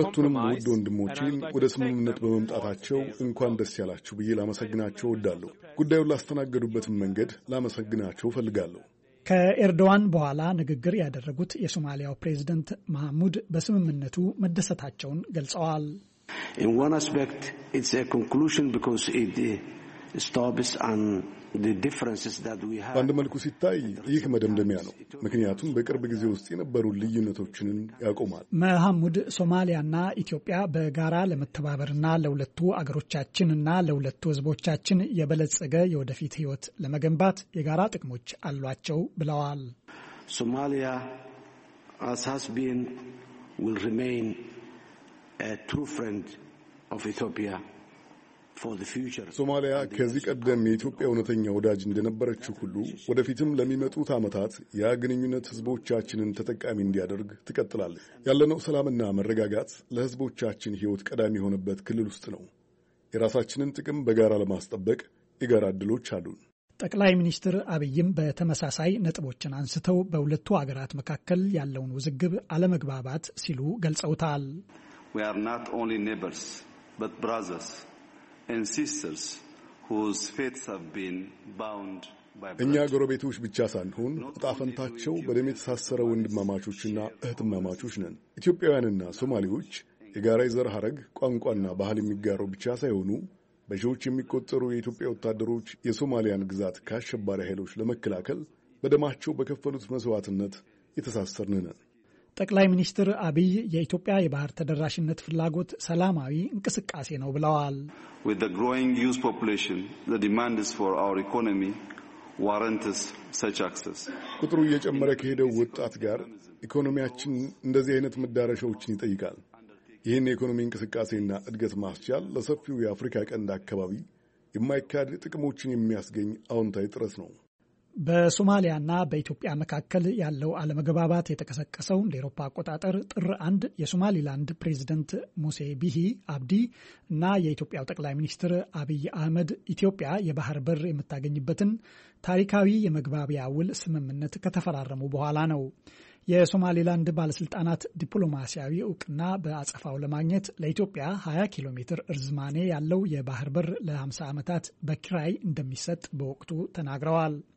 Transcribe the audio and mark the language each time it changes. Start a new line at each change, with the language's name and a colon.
Amharic: ሁለቱንም ውድ ወንድሞቼን ወደ ስምምነት በመምጣታቸው እንኳን ደስ ያላችሁ ብዬ ላመሰግናቸው እወዳለሁ። ጉዳዩን ላስተናገዱበት መንገድ ላመሰግናቸው ፈልጋለሁ። ከኤርዶዋን በኋላ ንግግር ያደረጉት የሶማሊያው ፕሬዝዳንት ማህሙድ በስምምነቱ መደሰታቸውን ገልጸዋል።
English: In one aspect it's a conclusion because it stops on the differences that we have.
Amharic: አንድ መልኩ ሲታይ ይህ መደምደሚያ ነው፣ ምክንያቱም በቅርብ ጊዜ ውስጥ የነበሩ ልዩነቶችን ያቆማል። ማህሙድ ሶማሊያና ኢትዮጵያ በጋራ ለመተባበርና ለሁለቱ አገሮቻችንና ለሁለቱ ህዝቦቻችን የበለጸገ የወደፊት ህይወት ለመገንባት የጋራ ጥቅሞች አሏቸው ብለዋል።
English: Somalia as has been will remain a true friend of Ethiopia.
Amharic: ሶማሊያ ከዚህ ቀደም የኢትዮጵያ ወነተኛ ወዳጅ እንደነበረችው ሁሉ ወደፊትም ለሚመጡት አመታት ያ ግንኙነት ህዝቦቻችንን ተጠቃሚ እንዲያደርግ ትቀጥላለች። ያለነው ሰላምና መረጋጋት ለህዝቦቻችን ህይወት ቀዳሚ የሆነበት ክልል ውስጥ ነው። የራሳችንን ጥቅም በጋራ ለማስጠበቅ የጋራ ድሎች አሉን። ጠቅላይ ሚኒስትር አብይም በተመሳሳይ ነጥቦችን አንስተው በሁለቱ አገራት መካከል ያለውን ውዝግብ አለመግባባት ሲሉ ገልጸውታል።
English: We are not only neighbors but brothers. And sisters whose fates have been bound by blood.
Amharic: እኛ ጎረቤቶች ብቻ ሳንሆን ጣፈንታቸው በደም የተሳሰረ ወንድማማቾችና እህትማማቾች ነን። ኢትዮጵያውያንና ሶማሌዎች የጋራ የዘር ሐረግ፣ ቋንቋና ባህል የሚጋሩ ብቻ ሳይሆኑ በሺዎች የሚቆጠሩ የኢትዮጵያ ወታደሮች የሶማሊያን ግዛት ከአሸባሪ ኃይሎች ለመከላከል በደማቸው በከፈሉት መስዋዕትነት የተሳሰርን ነን። ጠቅላይ ሚኒስትር አብይ የኢትዮጵያ የባህር ተደራሽነት ፍላጎት ሰላማዊ እንቅስቃሴ ነው ብለዋል።
English: With the growing youth population, the demands for our economy warrants such access.
Amharic: ቁጥሩ እየጨመረ ከሄደው ወጣት ጋር ኢኮኖሚያችን እንደዚህ አይነት መዳረሻዎችን ይጠይቃል። ይህን የኢኮኖሚ እንቅስቃሴና እድገት ማስቻል ለሰፊው የአፍሪካ ቀንድ አካባቢ የማይካድ ጥቅሞችን የሚያስገኝ አዎንታዊ ጥረት ነው። በሶማሊያና በኢትዮጵያ መካከል ያለው አለመግባባት የተከሰከሰው እንደ አውሮፓ አቆጣጠር ጥር 1 የሶማሊላንድ ፕሬዝዳንት ሙሴ ቢሂ አብዲ እና የኢትዮጵያው ጠቅላይ ሚኒስትር አብይ አህመድ ኢትዮጵያ የባህር በር የምታገኝበትን ታሪካዊ የመግባቢያ ውል ስምምነት ከተፈራረሙ በኋላ ነው። የሶማሊላንድ ባለስልጣናት ዲፕሎማሲያዊ ዕውቅና በአጸፋው ለማግኘት ለኢትዮጵያ 20 ኪሎ ሜትር እርዝማኔ ያለው የባህር በር ለ50 ዓመታት በክራይ እንደሚሰጥ በወቅቱ ተናግረዋል።